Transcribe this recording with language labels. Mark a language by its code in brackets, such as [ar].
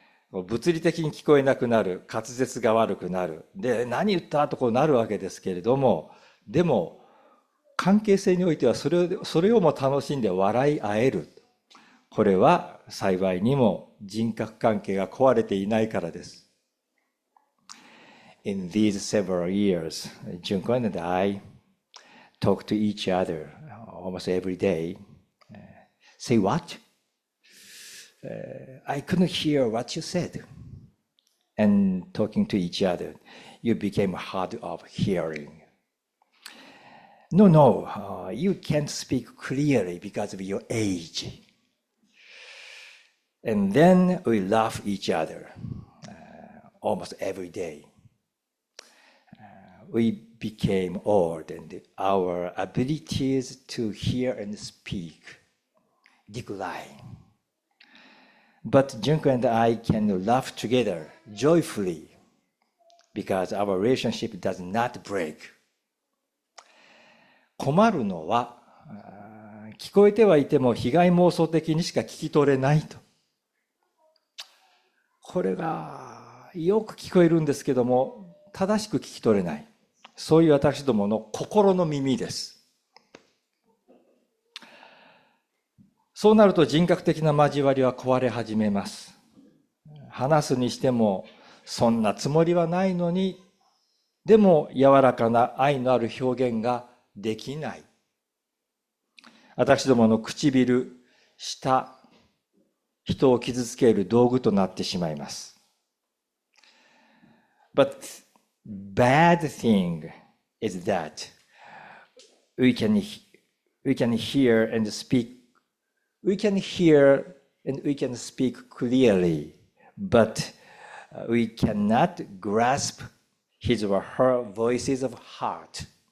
[ja] 物理的に聞こえなくなる、滑舌が悪くなる、で何言ったとこうなるわけですけれども、でも関係性においてはそれをも楽しんで笑い合える、これは幸いにも人格関係が壊れていないからです。 [en] In these several years, Junkun and I talk to each other almost every day. Say what? I couldn't hear what you said. And talking to each other, you became hard of hearing. No, you can't speak clearly because of your age. And then we laugh each other almost every day. We became old and our abilities to hear and speak declined. But Junko and I can laugh together joyfully because our relationship does not break. [ja] 困るのは、聞こえてはいても被害妄想的にしか聞き取れないと。これがよく聞こえるんですけども、正しく聞き取れない。そういう私どもの心の耳です。そうなると人格的な交わりは壊れ始めます。話すにしてもそんなつもりはないのに、でも柔らかな愛のある表現ができない。私どもの唇、舌、人を傷つける道具となってしまいます。 [en] But bad thing is that we can hear and speakWe can hear and we can speak clearly, but we cannot grasp his or her voices of heart.